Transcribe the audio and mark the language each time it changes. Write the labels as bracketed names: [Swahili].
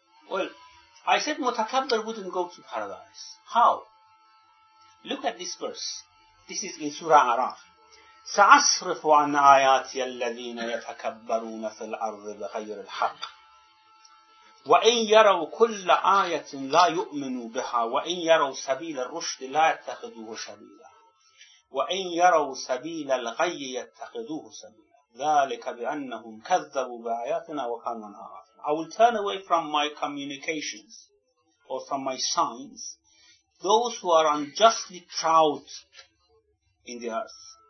[English] Well, I said mutakabbir wouldn't go to paradise. How? Look at this verse. This is in Surah Araf. [Arabic] سأصرف عن آياتي الذين يتكبرون في الأرض بغير الحق وإن يروا كل آية لا يؤمنوا بها وإن يروا سبيل الرشد لا يتخذوه سبيلا وإن يروا سبيل الغي يتخذوه سبيلا ذلك بأنهم كذبوا بآياتنا وكانوا عنها غافلين. [English] I will turn away from my communications or from my signs those who are unjustly proud in the earth.